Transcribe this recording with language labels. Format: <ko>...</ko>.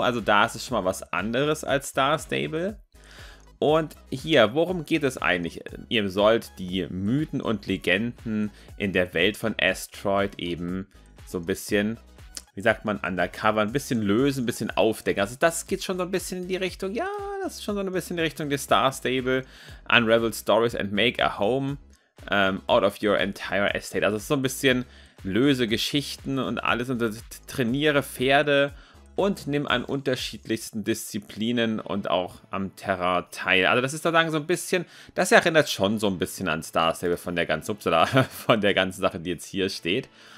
<de>Also da ist es schon mal was anderes als Star Stable. Und hier, worum geht es eigentlich? Ihr sollt die Mythen und Legenden in der Welt von Astride eben so ein bisschen, wie sagt man, undercover, ein bisschen lösen, ein bisschen aufdecken. Also das geht schon so ein bisschen in die Richtung, ja, das ist schon so ein bisschen in die Richtung der Star Stable.</de> <en>Unravel Stories and make a home out of your entire estate.</en> <de>Also es ist so ein bisschen löse Geschichten und alles und trainiere Pferde und nimm an unterschiedlichsten Disziplinen und auch am Terrain teil. Also das ist sozusagen so ein bisschen, das erinnert schon so ein bisschen an Star Stable von der ganzen, Sache, die jetzt hier steht.</de>